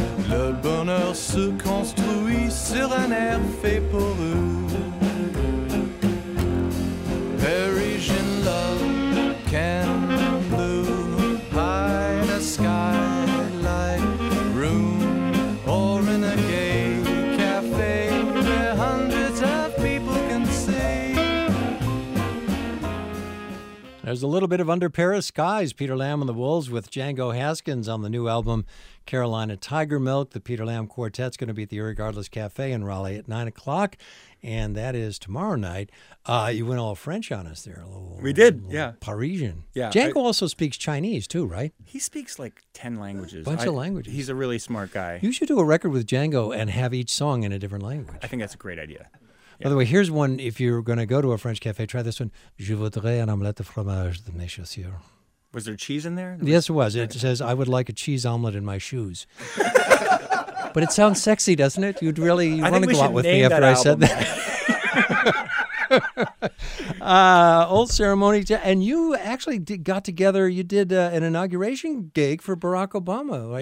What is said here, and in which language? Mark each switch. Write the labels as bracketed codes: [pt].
[fr] Le bonheur se construit sur un air fait pour eux. [en] Parisian love can blue hide in a sky like room or in a gay cafe where hundreds of people can see. There's a little bit of Under Paris Skies, Peter Lamb and the Wolves with Django Haskins on the new album Carolina Tiger Milk. The Peter Lamb Quartet's going to be at the Irregardless Cafe in Raleigh at 9 o'clock, and that is tomorrow night. You went all French on us there. Parisian. Yeah, Django also speaks Chinese, too, right? He speaks like 10 languages. A bunch of languages. He's a really smart guy. You should do a record with Django and have each song in a different language. I think that's a great idea. Yeah. By the way, here's one if you're going to go to a French cafe. Try this one. [fr] Je voudrais un omelette de fromage de mes chaussures. [en] Was there cheese in there? Yes, it was. It says, I would like a cheese omelet in my shoes. But it sounds sexy, doesn't it? You'd really want to go out with me after album. I said that. Old Ceremony. And you actually did an inauguration gig for Barack Obama, right?